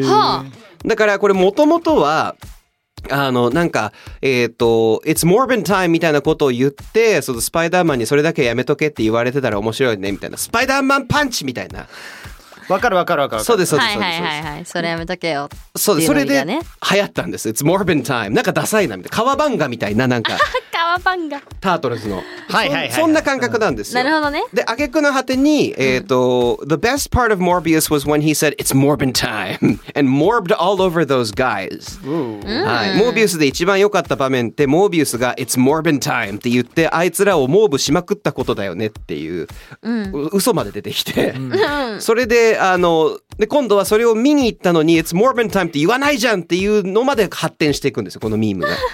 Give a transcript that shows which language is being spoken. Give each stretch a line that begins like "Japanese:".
Japanese: ー。だからこれもともとはなんか It's Morbin time みたいなことを言って、そのスパイダーマンにそれだけやめとけって言われてたら面白いねみたいな、スパイダーマンパンチみたいな。わかるわかるわかる。そうですそうです。はいはいはいはい。それやめとけよ。そうです。それで流行ったんです。
English: It's Morbin time。
Japanese: なんかダサいなみたいな。カワバンガみたいな、なんか。カワバンガ。タートルズの。はいはいはい。そんな感覚なんですよ。なるほどね。で、挙句の果てに、
English: The best part of Morbius was when he said It's Morbin time and morbed all over those guys。
Japanese: はい。モービウスで一番良かった場面って、モービウスが It's Morbin time って言って、あいつらをモーブしまくったことだよねっていう、うん、嘘まで出てきて、それで。あので今度はそれを見に行ったのに It's Mormon time って言わないじゃんっていうのまで発展していくんですよ、このミームが。